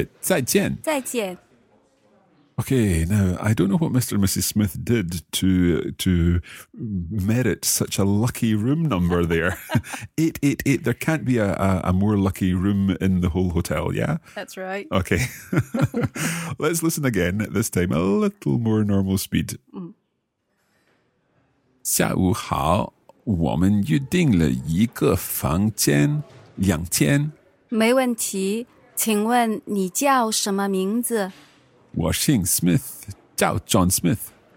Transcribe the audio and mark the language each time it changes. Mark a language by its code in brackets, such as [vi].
[zh] 这是你们的房卡，电梯在右边。谢谢，再见。再见。Okay, [en] now I don't know what Mr. and Mrs. Smith did to merit such a lucky room number there. 888, there can't be a more lucky room in the whole hotel, yeah? That's right. Okay, let's listen again, this time a little more normal speed. [zh] 下午好。我们预定了一个房间，两天。没问题，请问你叫什么名字？我姓Smith, 叫John Smith。